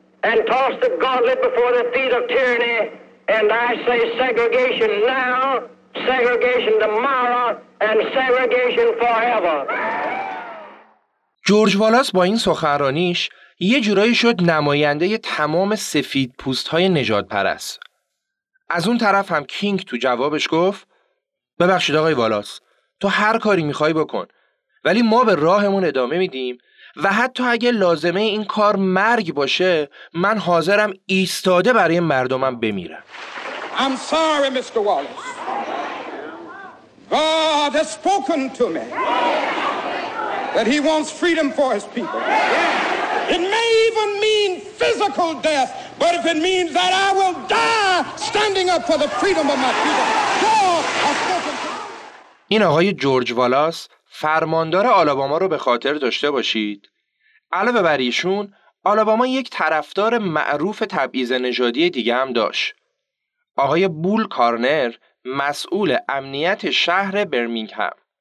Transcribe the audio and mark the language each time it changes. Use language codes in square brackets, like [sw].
[en] And toss the gauntlet before the feet of tyranny, and I say segregation now, segregation tomorrow, and segregation forever. [fa] جورج والاس با این سخنرانیش یه جورایی شد نماینده تمام سفید پوست های نژاد پرست. از اون طرف هم کینگ تو جوابش گفت ببخشید آقای والاس، تو هر کاری میخوای بکن، ولی ما به راهمون ادامه میدیم و حتی اگه لازمه این کار مرگ باشه، من حاضرم ایستاده برای مردمم بمیرم. [en] I'm sorry, Mr. Wallace. God has spoken to me that he wants freedom for his people. It may even mean physical death, but if it means that I will die standing up for the freedom of my people, God has spoken to me. [fa] این آقای جورج والاس فرماندار آلاباما رو به خاطر داشته باشید. علاوه بر ایشون، آلاباما یک طرفدار معروف تبعیض نژادی دیگه هم داشت. آقای بول کارنر، مسئول امنیت شهر برمینگهام.